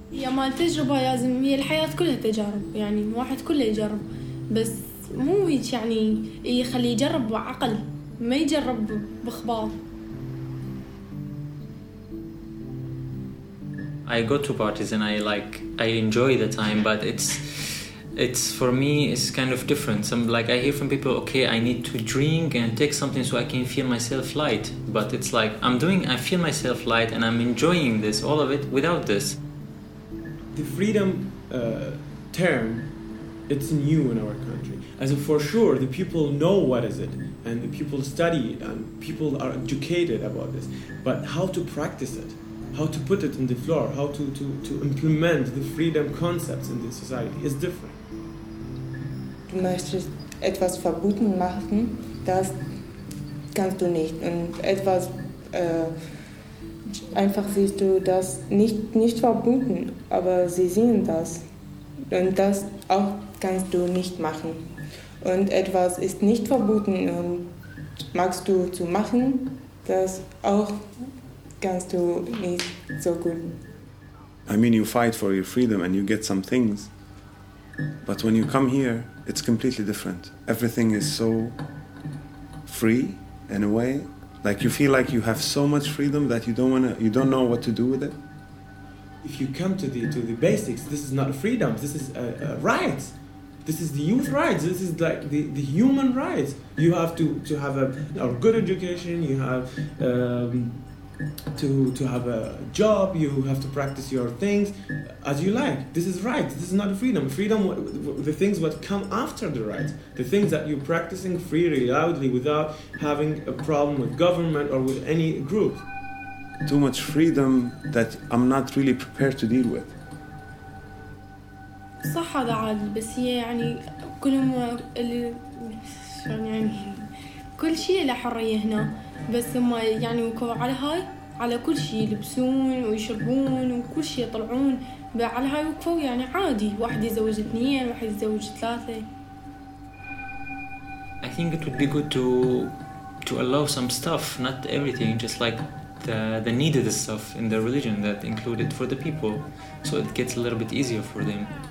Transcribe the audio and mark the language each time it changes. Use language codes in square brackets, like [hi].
[ar] ما التجربة لازم هي الحياة كلها تجارب يعني واحد كله يجرب بس مو يعني يخلي يجرب بعقل ما يجرب بخبار. [en] I go to parties and I like I enjoy the time but it's for me it's kind of different. Some like I hear from people okay I need to drink and take something so I can feel myself light but it's like I feel myself light and I'm enjoying this all of it without this. The freedom term, it's new in our country. As if for sure, the people know what is it, and the people study it, and people are educated about this. But how to practice it, how to put it in the floor, how to implement the freedom concepts in the society is different. [de] Du möchtest etwas verboten machen, das kannst du nicht. Und etwas einfach siehst du das nicht verboten. Aber sie sehen das. Und das auch kannst du nicht machen. Und etwas ist nicht verboten und magst du zu machen, das auch kannst du nicht so gut. [en] I mean, you fight for your freedom and you get some things. But when you come here, it's completely different. Everything is so free in a way. Like you feel like you have so much freedom that you don't know what to do with it. If you come to the basics, this is not freedom, this is a right. This is the youth rights, this is like the human rights. You have to have a good education, you have to have a job, you have to practice your things as you like. This is right, this is not freedom. Freedom, the things that come after the rights, the things that you're practicing freely, loudly, without having a problem with government or with any group. Too much freedom that I'm not really prepared to deal with. [ar] صح هذا عادي بس هي يعني كلهم اللي يعني كل شيء لحرية هنا، بس هم يعني وكوا على هاي على كل شيء، يلبسون ويشربون وكل شيء يطلعون على هاي وكفوا يعني عادي، واحد يزوج اثنين واحد يزوج ثلاثة. [en] I think it would be good to allow some stuff, not everything, just like the needed stuff in the religion that included for the people, so it gets a little bit easier for them.